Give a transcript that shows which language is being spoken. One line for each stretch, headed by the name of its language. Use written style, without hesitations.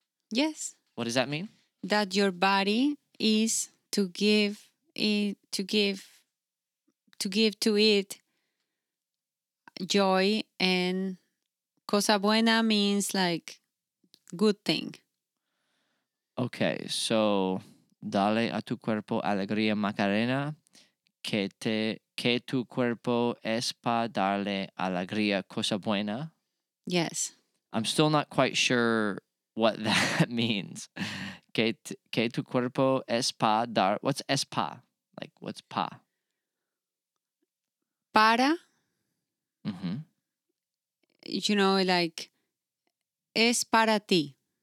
English: Yes. What does that mean? That your body is to give to it joy, and
Spanish: cosa buena
English: means like good thing. Okay, so
Spanish: dale a tu cuerpo alegría Macarena, que tu cuerpo es para darle alegría cosa buena.
English: Yes. I'm still not quite sure what that means.
Spanish: Que tu cuerpo es para dar.
English: What's
Spanish: es para?
English: Like, what's
Spanish: pa? Para. Mm-hmm.
English: You know, like,
Spanish: es para ti.